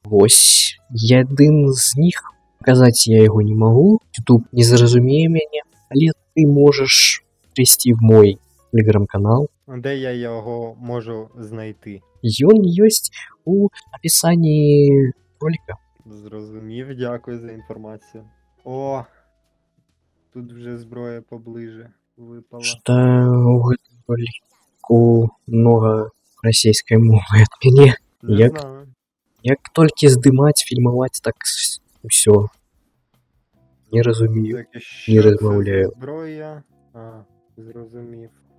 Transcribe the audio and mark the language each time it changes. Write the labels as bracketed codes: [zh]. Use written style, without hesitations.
[be] Вось, я адзін з них. Паказаць я яго не магу. Ютуб не зразумее мяне. Але ты можаш прыйсці [ru] в мой [be] телеграм-канал. [uk] Де я його можу знайти? [be] Ён ёсць у апісанні роліка. [uk] Зразумів, дякую за інфармацію. О, тут вже зброя поближе випала. [be] Што у гэтым роліку многа расійскай мовы ад мяне. Як толькі здымаць, фільмаваць, так усё. Не разумію, не размаўляю. [uk] Зброя, а, зразумів.